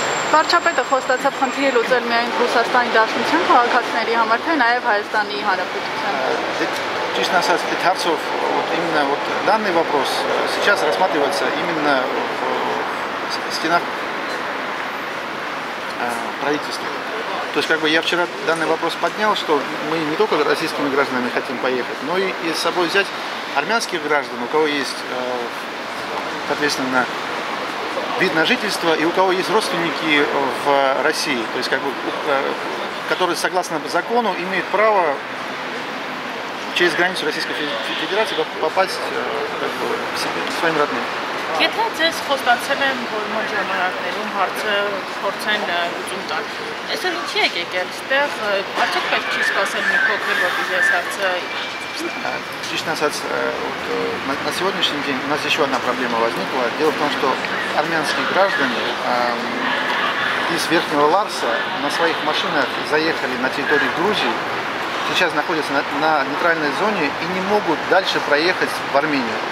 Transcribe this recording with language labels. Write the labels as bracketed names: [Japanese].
[Armenian] Վարչապետը խոստացավ խնդիրը լուծել միայն Ռուսաստանի Դաշնության քաղաքացիների համար, թե նաև Հայաստանի Հանրապետության։ Ճիշտ ասած, [Russian] այդ հարցով именно вот данный вопрос сейчас рассматривается именно в стенах правительства. То есть, как бы, я вчера данный вопрос поднял, что мы не только российскими гражданами хотим поехать, но и с собой взять армянских граждан, у кого есть, соответственно, вид на жительство, и у кого есть родственники в России, то есть, как бы, которые, согласно закону, имеют право через границу Российской Федерации попасть как бы, к себе, к своим родным. [Armenian] Եթե ձեզ խոստացել են, որ մոր ժամանակներում հարցը փորձեն լուծում տալ, այսօր ինչի եք եկել, ստեղ արդյոք պետք չի սպասել մի փոքր, որպեսզի այս հարցը Ճիշտ ասած, [Russian] на сегодняшний день у нас еще одна проблема возникла. Дело в том, что армянские граждане из Верхнего Ларса на своих машинах заехали на территорию Грузии, сейчас находятся на нейтральной зоне и не могут дальше проехать в Армению.